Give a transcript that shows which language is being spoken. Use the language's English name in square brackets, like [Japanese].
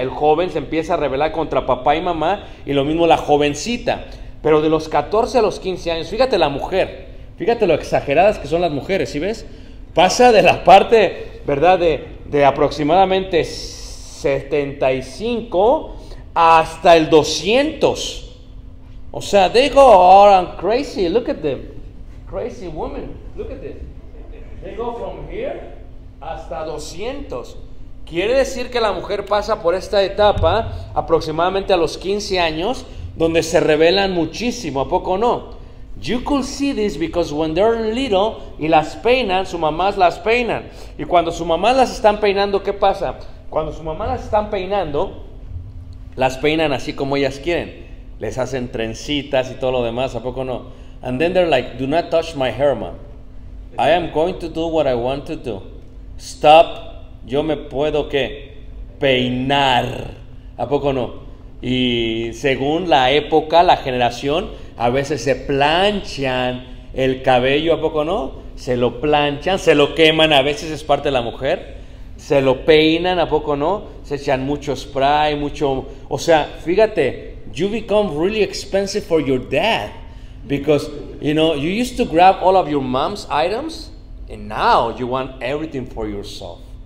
[Spanish] El joven se empieza a rebelar contra papá y mamá, y lo mismo la jovencita. Pero de los 14 a los 15 años, fíjate la mujer, fíjate lo exageradas que son las mujeres, ¿sí ves? Pasa de la parte, ¿verdad?, de aproximadamente 75 hasta el 200. O sea, [English] they go all on crazy, look at them, crazy women, look at this. They go from here [Spanish] hasta 200. Quiere decir que la mujer pasa por esta etapa aproximadamente a los 15 años, donde se rebelan muchísimo, ¿a poco no? [English] You could see this because when they're little [Spanish] y las peinan, su mamá las peinan. Y cuando su mamá las están peinando, ¿qué pasa? Cuando su mamá las están peinando, las peinan así como ellas quieren. Les hacen trencitas y todo lo demás, ¿a poco no? [English] And then they're like, do not touch my hair, mom. I am going to do what I want to do. Stop. [Spanish] Yo me puedo, ¿qué? peinar. ¿A poco no? Y según la época, la generación, a veces se planchan el cabello, ¿a poco no? Se lo planchan, se lo queman, a veces es parte de la mujer. Se lo peinan, ¿a poco no? Se echan mucho spray, mucho... O sea, fíjate, [English] you become really expensive for your dad. Because, you know, you used to grab all of your mom's items, and now you want everything for yourself.